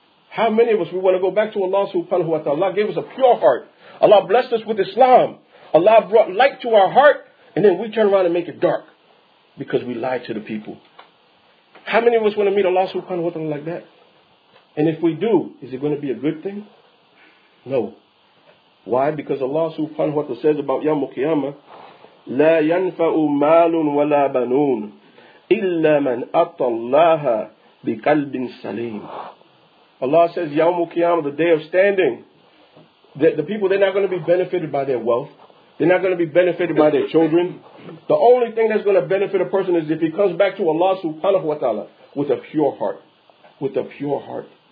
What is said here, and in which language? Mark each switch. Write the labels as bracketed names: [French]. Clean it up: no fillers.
[English] How many of us, we want to go back to Allah subhanahu wa ta'ala? Allah gave us a pure heart. Allah blessed us with Islam. Allah brought light to our heart, and then we turn around and make it dark because we lied to the people. How many of us want to meet Allah subhanahu wa ta'ala like that? And if we do, is it going to be a good thing? No. Why? [Arabic] Because Allah subhanahu wa ta'ala says about Yawm al-Qiyamah, لَا يَنْفَعُ مَالٌ وَلَا بَنُونَ إِلَّا مَنْ أَطَى اللَّهَ بِقَلْبٍ سَلِيمٍ. [English] Allah says, Yawm al-Qiyamah, the day of standing, that the people, they're not going to be benefited by their wealth. They're not going to be benefited by their children. The only thing that's going to benefit a person is if he comes back to Allah subhanahu wa ta'ala with a pure heart. With a pure heart.